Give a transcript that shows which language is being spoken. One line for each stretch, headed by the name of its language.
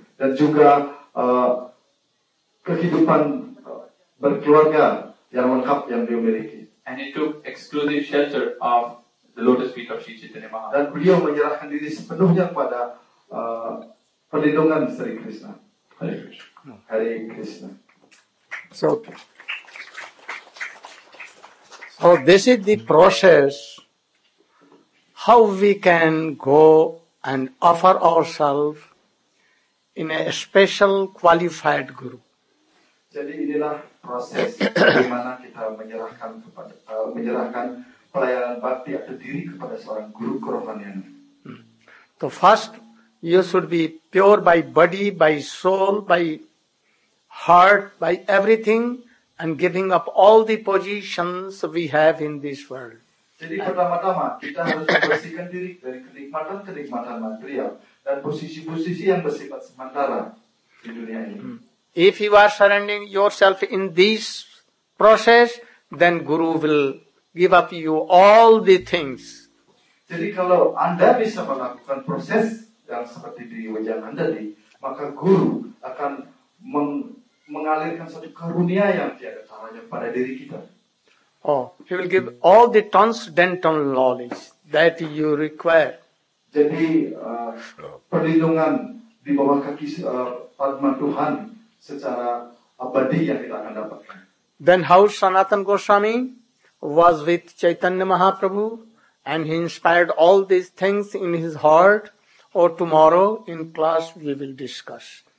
Indonesian: Dan juga kehidupan berkeluarga yang lengkap yang dia miliki.
English: And he took exclusive shelter of the lotus feet of Sri Chaitanya Mahaprabhu.
Indonesian: Dan beliau menyerahkan diri sepenuhnya pada perlindungan Sri Krishna.
Sanskrit: Hare Krishna. Hare Krishna.
English: So this is the process how we can go and offer ourselves in a special qualified guru.
Indonesian: Jadi inilah proses bagaimana kita menyerahkan kepada menyerahkan pelayanan bhakti atau diri kepada seorang guru kerohanian.
English: So first you should be pure by body, by soul, by heart, by everything, and giving up all the positions we have in this world.
Indonesian: Jadi pertama-tama kita harus membersihkan diri dari kenikmatan-kenikmatan material dan posisi-posisi yang bersifat sementara di dunia ini.
English: If you are surrendering yourself in this process, then Guru will give up you all the things.
Indonesian: Jadi kalau Anda bisa melakukan proses yang seperti di wajah Anda ini, maka Guru akan mengalirkan satu karunia yang tiada taranya pada diri kita.
English: Oh, he will give all the transcendental knowledge that you require.
Indonesian: Jadi perlindungan di bawah kaki Padma Tuhan secara abadi yang kita akan dapatkan.
English: Then how Sanatan Goswami was with Chaitanya Mahaprabhu and he inspired all these things in his heart, or tomorrow in class we will discuss.